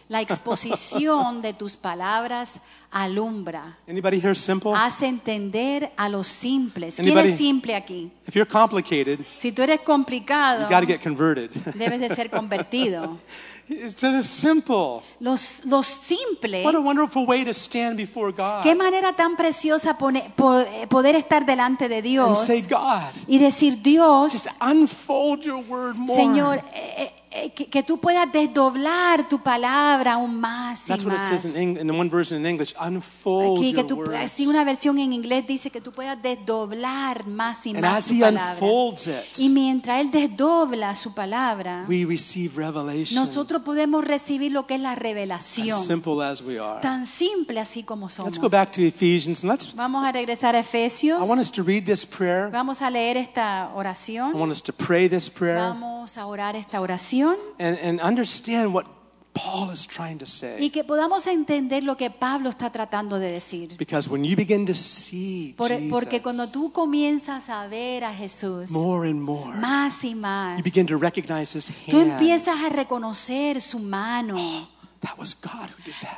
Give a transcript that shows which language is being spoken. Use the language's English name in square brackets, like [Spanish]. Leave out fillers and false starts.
[Spanish] La exposición de tus palabras alumbra. [English] Anybody here simple? [Spanish] Hace entender a los simples. ¿Quién es simple aquí? [English] If you're complicated, [Spanish] si tú eres complicado, [English] you got to get converted. [Spanish] Debes de ser convertido. [English] It's to the simple. [Spanish] Los simples. [English] What a wonderful way to stand before God. [Spanish] Qué manera tan preciosa poder estar delante de Dios. [English] And say God. [Spanish] Y decir Dios. [English] Just unfold your word more. [Spanish] Señor, que tú puedas desdoblar tu palabra aún más y más. [English] That's what it says in one version in English. Unfold [Spanish] aquí, que tú, [English] your words. [Spanish] Así una versión en inglés dice que tú puedas desdoblar más y [English] and [Spanish] más [English] as [Spanish] tu [English] he [Spanish] palabra. [English] Unfolds it, [Spanish] y mientras él desdobla su palabra, [English] we receive revelation. [Spanish] Nosotros podemos recibir lo que es la revelación. [English] As simple as we are. [Spanish] Tan simple así como somos. [English] Let's go back to Ephesians and [Spanish] vamos a regresar a Efesios. [English] I want us to read this prayer. [Spanish] Vamos a leer esta oración. [English] I want us to pray this prayer. [Spanish] Vamos a orar esta oración. [English] And understand what Paul is trying to say. [Spanish] Y que podamos entender lo que Pablo está tratando de decir. [English] Because when you begin to see Jesus, [Spanish] porque cuando tú comienzas a ver a Jesús, [English] more and more, [Spanish] más y más, [English] you begin to recognize his hand. [Spanish] Tú empiezas a reconocer su mano. [English] That was God who did that.